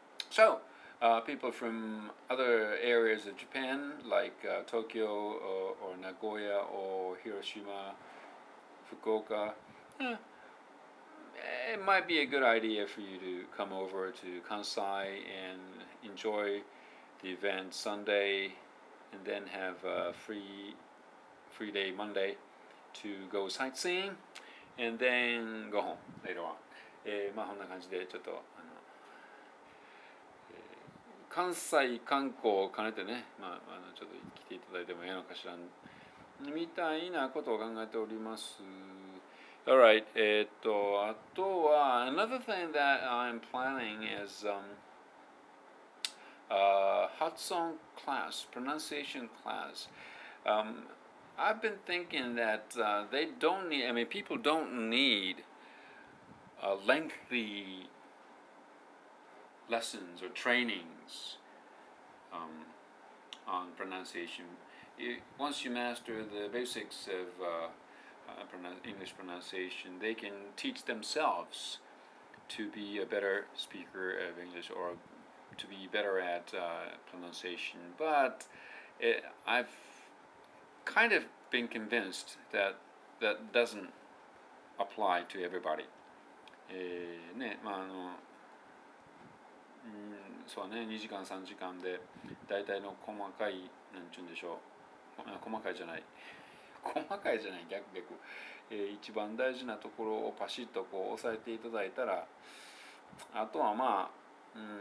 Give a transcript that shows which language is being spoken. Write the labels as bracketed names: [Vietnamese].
[English] So, people from other areas of Japan, like Tokyo or Nagoya or Hiroshima, Fukuoka, it might be a good idea for you to come over to Kansai and enjoy... the event Sunday, and then have a free day Monday to go sightseeing, and then go home later on. [Japanese] まあこんな感じでちょっと関西観光を兼ねてね、まあちょっと来ていただいてもいいのかしらみたいなことを考えております。 [English] All right. [Japanese] あとは [English] another thing that I'm planning is Hatsune class, pronunciation class. I've been thinking that people don't need lengthy lessons or trainings on pronunciation. Once you master the basics of English pronunciation, they can teach themselves to be a better speaker of English or to be better at pronunciation, but I've kind of been convinced that that doesn't apply to everybody. [Japanese] ね、まあそうね、2時間、3時間で大体の細かい、なんていうんでしょう、細かいじゃない、逆、一番大事なところをパシッとこう押さえていただいたら、あとはまあ、